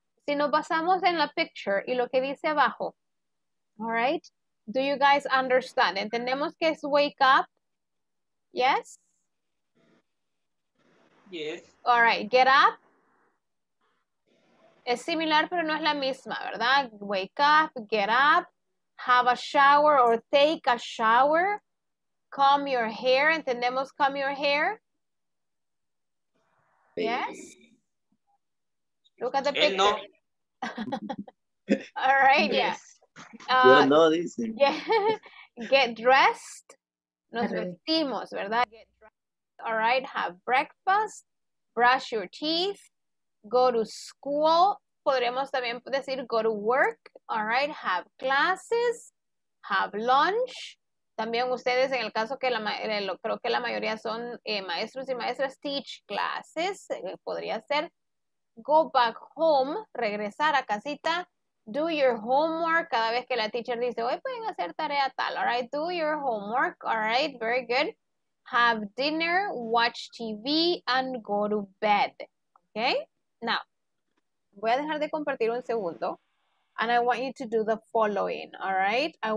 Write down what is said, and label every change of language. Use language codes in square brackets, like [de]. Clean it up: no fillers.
[es] Si nos basamos en la picture y lo que dice abajo. [en] All right. Do you guys understand? [es] ¿Entendemos que es [en] wake up? Yes. Yes. All right. Get up. [es] Es similar, pero no es la misma, ¿verdad? [en] Wake up, get up, have a shower or take a shower, comb your hair, [es] ¿entendemos [en] comb your hair? Yes? Look at the picture. No. All right, yes. Yeah. [es] No, dice. [en] Yeah. Get dressed, [es] nos vestimos, ¿verdad? [en] Get dressed. All right, have breakfast, brush your teeth, go to school. [es] Podríamos también decir [en] go to work, all right, have classes, have lunch. [es] También ustedes, en el caso que creo que la mayoría son maestros y maestras, [en] teach classes, podría ser. Go back home, [es] regresar a casita, [en] do your homework. [es] Cada vez que la teacher dice, hoy pueden hacer tarea tal, [en] all right, do your homework, all right, very good. Have dinner, watch TV, and go to bed, okay? Now, [es] voy a dejar de compartir un segundo. [en] And I want you to do the following, all right?